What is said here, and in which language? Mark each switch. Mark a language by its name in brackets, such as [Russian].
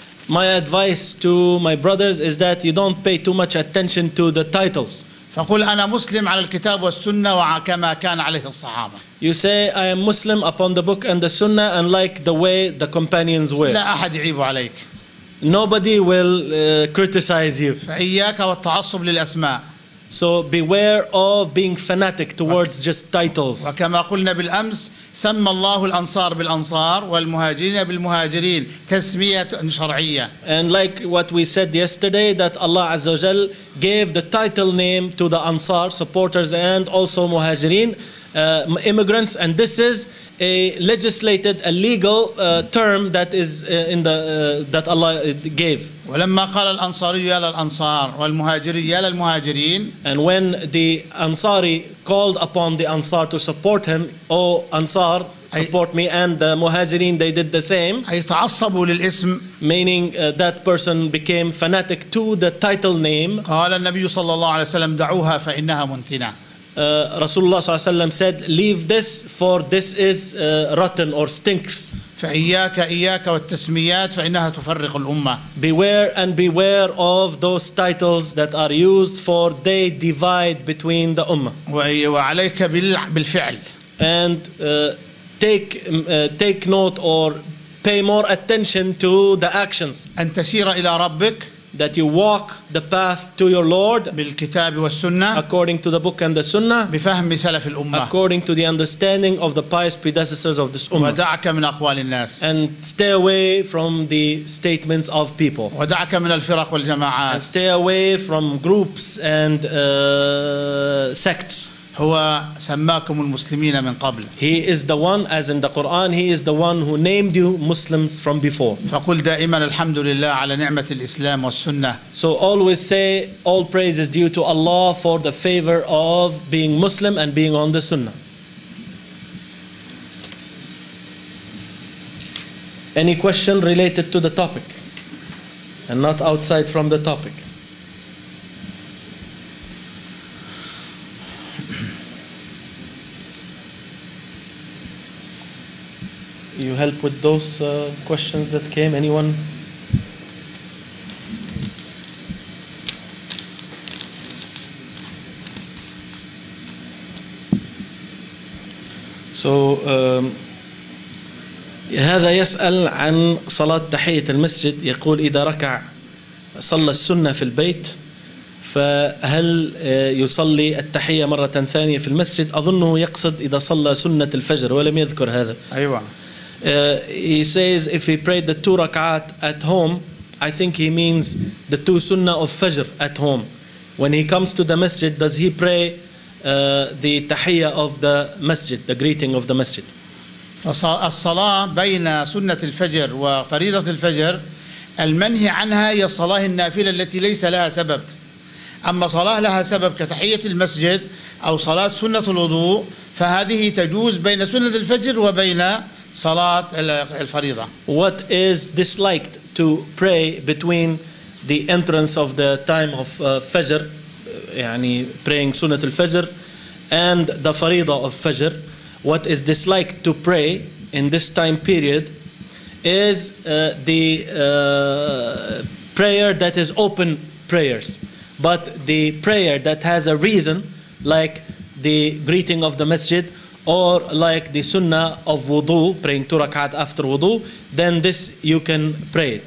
[English] My advice to my brothers is that you don't pay too much attention to the titles. [Arabic] فقل أنا مسلم على الكتاب والسنة وكما كان عليه الصحابة. [English] You say I am Muslim upon the book and the Sunnah and like the way the companions were. [Arabic] لا أحد يعيب عليك. [English] Nobody will criticize you. [Arabic] فإياك والتعصب للأسماء. [English] So beware of being fanatic towards just titles. [Arabic] وكما قلنا بالأمس سمى الله الأنصار بالأنصار والمهاجرين بالمهاجرين تسمية شرعية. [English] And like what we said yesterday that Allah [Arabic] عز وجل [English] gave the title name to the Ansar supporters and also مهاجرين immigrants, and this is a legislated, a legal term that is in the that Allah gave. [Arabic] ولما قال الأنصاري يا للأنصار والمهاجري يا للمهاجرين. [English] And when the Ansari called upon the Ansar to support him, O Ansar, support me, and the مهاجرين they did the same. [Arabic] أي تعصبوا للاسم. [English] Meaning that person became fanatic to the title name. [Arabic] قال النبي صلى الله عليه وسلم دعوها فإنها منتنة. رسول الله صلى الله عليه وسلم [English] said leave this for this is rotten or stinks. [Arabic] فإياك إياك والتسميات فإنها تفرق الأمة. [English] Beware and beware of those titles that are used for they divide between the أمة. [Arabic] وعليك بالفعل. [English] And take note or pay more attention to the actions. [Arabic] أن تسير إلى ربك. [English] That you walk the path to your Lord [Arabic] بالكتاب والسنة [English] according to the book and the Sunnah [Arabic] بفهم سلف الأمة [English] according to the understanding of the pious predecessors of this Ummah [Arabic] ودعك من أقوال الناس [English] and stay away from the statements of people [Arabic] ودعك من الفرق والجماعات [English] and stay away from groups and sects. [Arabic] هو سماكم المسلمين من قبل. [English] He is the one, as in the Quran, he is the one who named you Muslims from before. [Arabic] فقل دائما الحمد لله على نعمة الإسلام والسنة. [English] So always say all praise is due to Allah for the favor of being Muslim and being on the Sunnah. Any question related to the topic and not outside from the topic? You help with those questions that came, anyone? [Arabic] So, هذا يسأل عن صلاة تحية المسجد يقول إذا ركع صلى السنة في البيت فهل يصلي التحية مرة ثانية في المسجد أظنه يقصد إذا صلى سنة الفجر ولم يذكر هذا أيوة [English] He says if he prayed the two rak'at at home, I think he means the two sunnah of fajr at home. When he comes to the masjid, does he pray the tahiyya of the masjid, the greeting of the masjid? [Arabic] الصلاة بين سنة الفجر وفريضة الفجر المنهي عنها هي الصلاة النافلة التي ليس لها سبب. أما صلاة لها سبب كتحية المسجد أو صلاة سنة الوضوء فهذه تجوز بين سنة الفجر وبين صلاة الفريضة. [English] What is disliked to pray between the entrance of the time of Fajr, يعني praying سنة الفجر and the فريضة of Fajr, what is disliked to pray in this time period is the prayer that is open prayers, but the prayer that has a reason like the greeting of the masjid or like the sunnah of wudu, praying two rak'at after wudu, then this you can pray.